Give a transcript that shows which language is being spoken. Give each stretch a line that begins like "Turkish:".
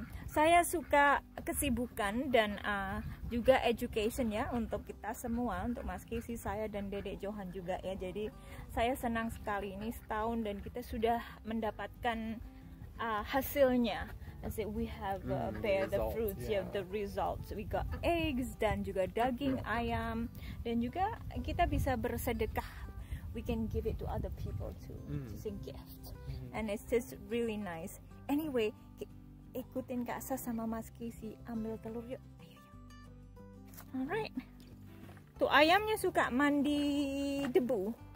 Indonesian: Saya suka kesibukan dan juga education ya untuk kita semua, untuk Mas Kisi, saya dan Dedek Johan juga ya. Jadi saya senang sekali ini 1 tahun dan kita sudah mendapatkan hasilnya.
English: As if we have bear the fruits, yeah, the results. We got eggs
Indonesian: dan juga daging ayam, dan juga kita bisa bersedekah.
English: We can give it to other people too, just in gift. And it's just really nice.
Indonesian: Anyway, ikutin Kak Sas sama Mas Kisi ambil telur yuk.
English: Alright.
Indonesian: Tuh ayamnya suka mandi debu.